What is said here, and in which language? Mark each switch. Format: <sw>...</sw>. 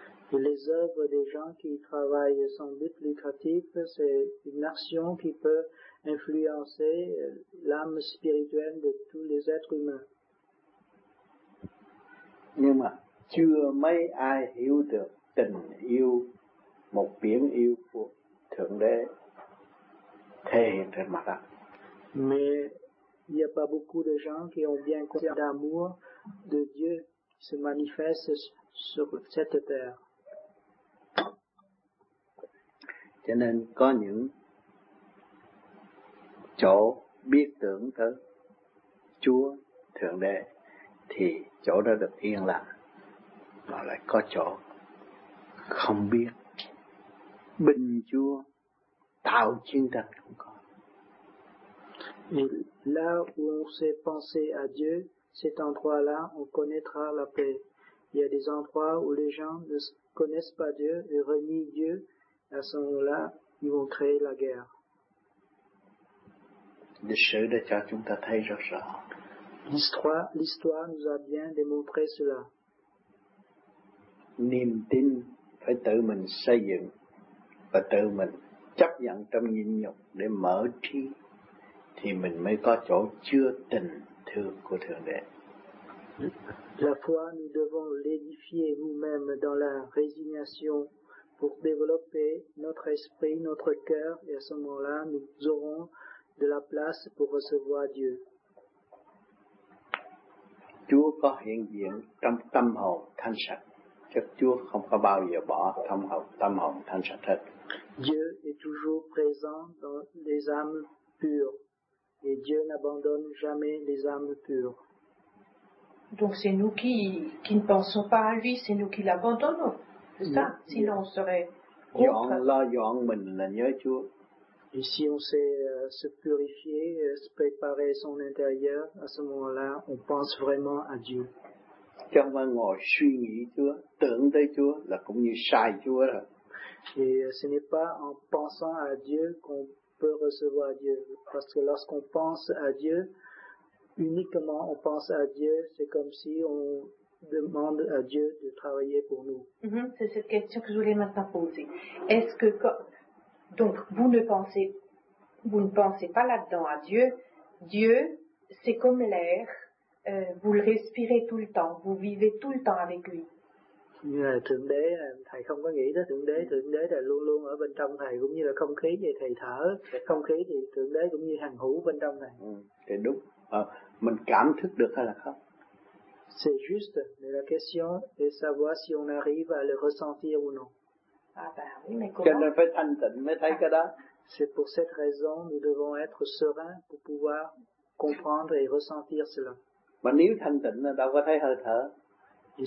<fr>Et les œuvres des gens qui travaillent sans but lucratif, c'est une action qui peut influencer l'âme spirituelle de tous les êtres humains.</fr> <vi>Nhưng mà chưa mấy ai hiểu được tình yêu, một biển yêu của Thượng Đế thể hiện trên mặt đất.</vi> <fr>Mais il n'y a pas beaucoup de gens qui ont bien conscience de l'amour de Dieu qui se manifeste sur cette terre.</fr> <vi>Cho nên có những chỗ biết tưởng tới Chúa Thượng Đế thì chỗ đó được yên lặng, mà lại có chỗ không biết bình chúa tạo chiến tranh không có.</vi> <fr>Et là où on sait penser à Dieu, cet endroit-là, on connaîtra la paix. Il y a des endroits où les gens ne connaissent pas Dieu et renient Dieu. À ce moment-là, ils vont créer la guerre.</fr> <vi>Le sự đã cho chúng ta thấy rõ ràng.</vi> <fr>L'histoire nous a bien démontré cela.</fr> <vi>Niềm tin phải tự mình xây dựng và tự mình chấp nhận trong nhịn nhục để mở trí, thì mình mới có chỗ chứa tình thương của Thượng Đế.</vi> <fr>La foi, nous devons l'édifier nous-mêmes dans la résignation pour développer notre esprit, notre cœur, et à ce moment-là, nous aurons de la place pour recevoir Dieu.</fr> <vi>Chúa có hiện diện trong tâm hồn thanh sạch. Chắc Chúa không có bao giờ bỏ tâm hồn thanh sạch hết.</vi> <fr>Dieu est toujours présent dans les âmes pures. Et Dieu n'abandonne jamais les âmes pures. Donc c'est nous qui ne pensons pas à lui, c'est nous qui l'abandonnons. C'est ça? Oui. Sinon on serait contre. Là, dans</fr> <vi>mình là nhớ Chúa.</vi> <fr>Et si on sait se purifier, se préparer son intérieur, à ce moment-là, on pense vraiment à Dieu. Quand on</fr> <vi>ngồi suy nghĩ Chúa, tưởng tới Chúa là cũng như sai Chúa rồi.</vi> <fr>Et ce n'est pas en pensant à Dieu qu'on peut recevoir Dieu. Parce que lorsqu'on pense à Dieu, uniquement on pense à Dieu, c'est comme si on demande à Dieu de travailler pour nous. C'est cette question que je voulais maintenant poser. Est-ce que quand... Donc, vous ne pensez pas là-dedans à Dieu. Dieu, c'est comme l'air. Vous le respirez tout le temps. Vous vivez tout le temps avec lui.</fr> <vi>Thượng Đế, thầy không có nghĩ tới Thượng Đế là luôn luôn ở bên trong thầy, cũng như là không khí vậy, thầy thở. Không khí thì Thượng Đế cũng như hằng hữu bên trong thầy. Thì đúng. Mình cảm thức được hay là không?</vi> <fr>C'est juste. Mais la question est savoir si on arrive à le ressentir ou non. Ah ben oui, mais comment? C'est pour cette raison que nous devons être sereins pour pouvoir comprendre et ressentir cela. Et</fr>